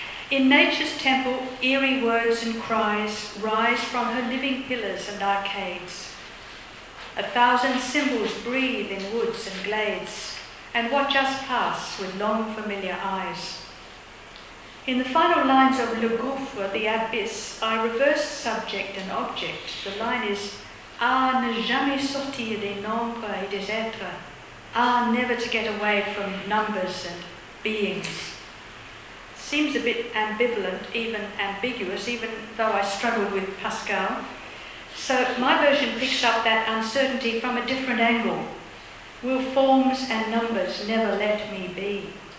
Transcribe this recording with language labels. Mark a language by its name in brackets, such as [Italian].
[English] In nature's temple, eerie words and cries rise from her living pillars and arcades. A thousand symbols breathe in woods and glades and watch us pass with long familiar eyes. In the final lines of Le Gouffre, the abyss, I reverse subject and object. The line is, ah, [French] ne jamais sortir des nombres et des êtres. [English] Ah, never to get away from numbers and beings. Seems a bit ambivalent, even ambiguous, even though I struggled with Pascal. So my version picks up that uncertainty from a different angle. Will forms and numbers never let me be?